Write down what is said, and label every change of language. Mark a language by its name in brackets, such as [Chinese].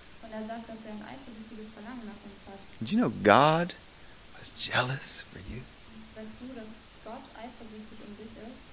[German] Und sagt, dass ein eifersüchtiges Verlangen nach uns hat. [English] Did you know God was jealous for you? [German] Weißt du, dass Gott eifersüchtig um dich ist?